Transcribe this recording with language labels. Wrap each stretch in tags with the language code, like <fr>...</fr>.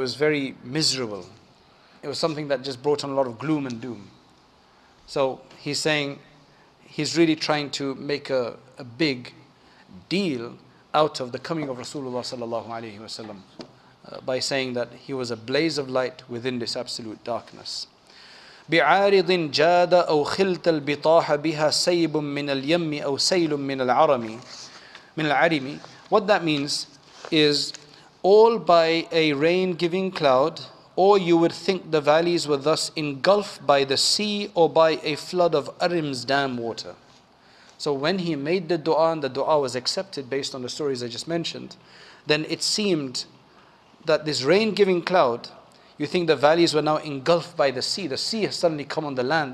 <en>It was very miserable. It was something that just brought on a lot of gloom and doom. So he's saying he's really trying to make a big deal out of the coming of Rasulullah sallallahu alayhi wa sallam by saying that he was a blaze of light within this absolute darkness.</en> <ar>بعارض جاد أو خلت البطاح بها سيب من اليم أو سيل من العرمي من العرمي.</ar> <en>What that means is all by a rain-giving cloud, or you would think the valleys were thus engulfed by the sea or by a flood of Arim's dam water. So when he made the dua and the dua was accepted based on the stories I just mentioned, then it seemed that this rain-giving cloud, you think the valleys were now engulfed by the sea. The sea has suddenly come on the land.</en>